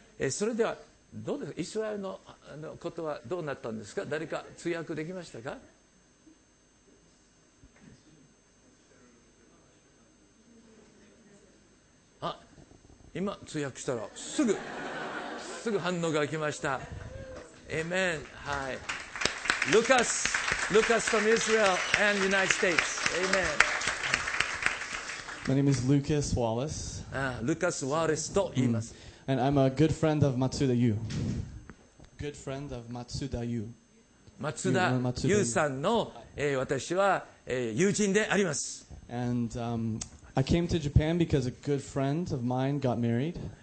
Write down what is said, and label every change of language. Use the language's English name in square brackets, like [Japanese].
[Japanese] それではどうですか。イスラエル のことはどうなったんですか。誰か通訳できましたか。あ、今通訳したらすぐ反応が来ました。 [English] Amen. [Japanese] はい。 [English] Lucas from Israel and United States. Amen. My name is Lucas Wallace. [Japanese] Lucas Wallace と言います。 [English] And I'm a good friend of Matsuda Yu. Good friend of Matsuda Yu. [Japanese] Matsuda Yu さんの、私は、友人であります。 [English] And I came to Japan because a good friend of mine got married.